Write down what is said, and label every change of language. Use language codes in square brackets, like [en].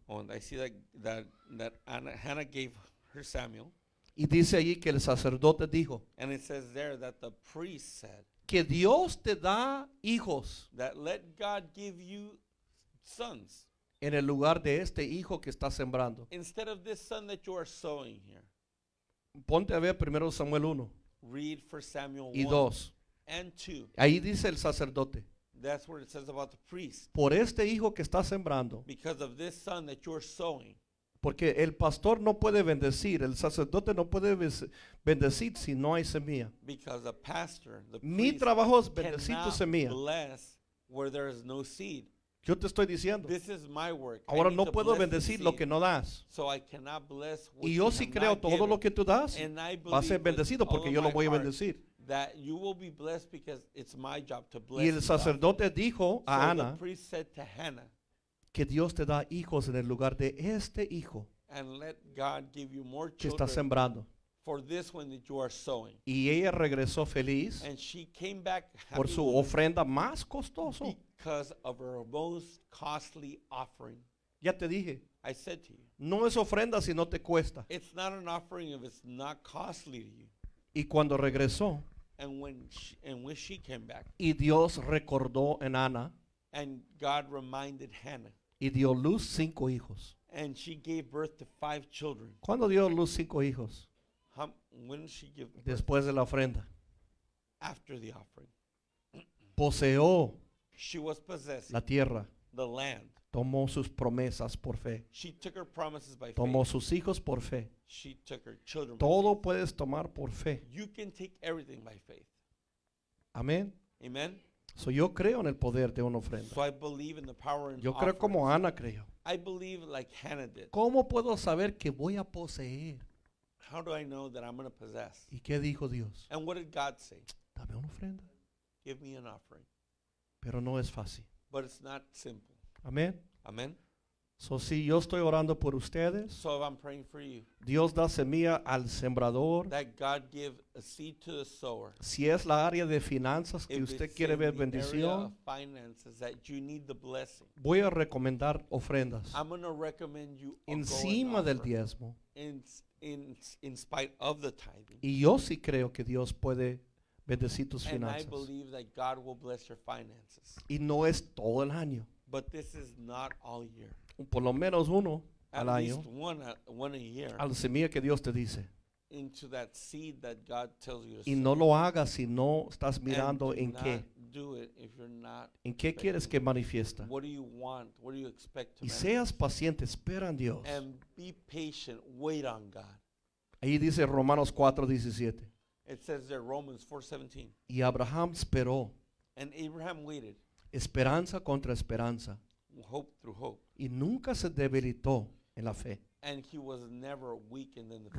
[en] Oh, and I see that Anna, Hannah gave her Samuel. [es] Y dice ahí que el sacerdote dijo. [en] And it says there that the priest said. [es] Que Dios te da hijos. [en] That let God give you sons. [es] En el lugar de este hijo que está sembrando. [en] Instead of this son that you are sowing here. [es] Ponte a ver primero Samuel 1. [en] Read for Samuel 1. [es] Y 2. [en] And 2. [es] Ahí dice el sacerdote. [en] That's what it says about the priest. [es] Por este hijo que está sembrando. [en] Because of this son that you are sowing. [es] Porque el pastor no puede bendecir, el sacerdote no puede bendecir si no hay semilla. [en] Because the pastor, the [es] mi [en] priest [es] trabajo es bendecir tu semilla. [en] Bless where there is no seed. [es] Yo te estoy diciendo. [en] This is my work. [es] Ahora no puedo bendecir lo que no das. [en] So I cannot bless what [es] y yo sí creo todo lo que tú das va a ser bendecido porque yo lo voy a bendecir. [en] That you will be blessed because it's my job to bless [es] y el sacerdote [en] God. [es] Dijo a [en] so [es] Ana. [en] The priest said to Hannah, [es] que Dios te da hijos en el lugar de este hijo. [en] and let God give you more [es] children. Está sembrando. [en] For this one that you are sowing. [es] Y ella regresó feliz. [en] And she came back [es] por su ofrenda más costoso. [en] Because of her most costly offering. [es] Ya te dije. [en] I said to you. [es] No es ofrenda si no te cuesta. [en] It's not an offering if it's not costly to you. [es] Y cuando regresó. [en] And when she came back. [es] Y Dios recordó en Ana. [en] And God reminded Hannah. [es] Y dio luz cinco hijos. [en] And she gave birth to five children. [es] ¿Cuándo dio luz cinco hijos? [en] When she gave birth. [es] Después de la ofrenda. [en] After the offering. [es] Poseó. [en] She was possessing. [es] La tierra. [en] The land. [es] Tomó sus promesas por fe. [en] She took her promises by faith. [es] Tomó sus hijos por fe. [en] She took her children. [es] Todo puedes tomar por fe. [en] You can take everything by faith. [es] Amén. [en] Amen. [es] So yo creo en el poder de una ofrenda. [en] So I believe in the power in [es] yo creo [en] offering. [es] Como Ana creyó. [en] I believe like Hannah did. [es] ¿Cómo puedo saber que voy a poseer? [en] How do I know that I'm going to possess? [es] ¿Y qué dijo Dios? [en] And what did God say? [es] Dame una ofrenda. [en] Give me an offering. [es] Pero no es fácil. [en] But it's not simple. [es] Amén. [en] Amén. [es] So si yo estoy orando por ustedes. [en] So if I'm praying for you. [es] Dios da semilla al sembrador. [en] That God give a seed to the sower. [es] Si es la área de finanzas que usted quiere ver bendición. [en] If it's in the area of finances that you need the blessing. [es] Voy a recomendar ofrendas. [en] I'm going to recommend you [es] encima del diezmo. [en] In spite of the tithing. [es] Y yo sí creo que Dios puede bendecir tus finanzas. [en] And I believe that God will bless your finances. [es] Y no es todo el año. [en] But this is not all year. [es] Por lo menos uno [en] at [es] al [en] least [es] año. [en] One a year. [es] Al semilla que Dios te dice. [en] Into that seed that God tells you to [es] y no lo hagas si no estás mirando en qué. [en] Do it if you're not [es] en qué quieres que manifiesta. [en] What do you want? What do you expect to [es] y seas paciente, espera en Dios. [en] And be patient, wait on God. [es] Ahí dice Romanos 4:17. [en] It says there Romans 4:17. [es] Y Abraham esperó. [en] And Abraham waited. [es] Esperanza contra esperanza. [en] Hope through hope. [es] Y nunca se debilitó en la fe. [en] And he was never weakened in the faith.